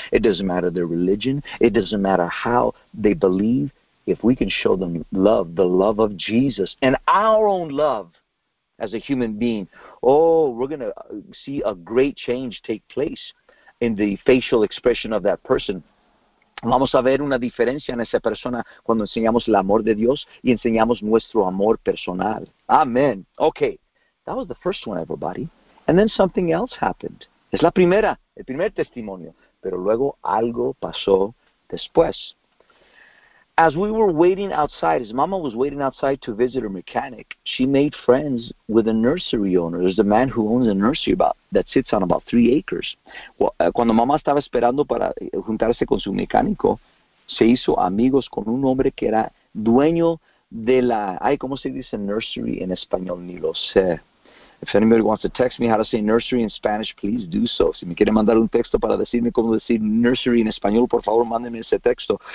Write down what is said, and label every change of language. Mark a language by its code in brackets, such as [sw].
[en] It doesn't matter their religion. It doesn't matter how they believe. If we can show them love, the love of Jesus, and our own love as a human being, oh, we're going to see a great change take place in the facial expression of that person. [es] Vamos a ver una diferencia en esa persona cuando enseñamos el amor de Dios y enseñamos nuestro amor personal. [en] Amen. Okay. That was the first one, everybody. And then something else happened. [es] Es la primera, el primer testimonio. Pero luego algo pasó después. [en] As we were waiting outside, as Mama was waiting outside to visit her mechanic, she made friends with a nursery owner. There's a man who owns a nursery that sits on about 3 acres. [es] Cuando Mama estaba esperando para juntarse con su mecánico, se hizo amigos con un hombre que era dueño de la... Ay, ¿cómo se dice nursery en español? Ni lo sé. [en] If anybody wants to text me how to say nursery in Spanish, please do so. [es] Si me quiere mandar un texto para decirme cómo decir nursery en español, por favor, mándeme ese texto.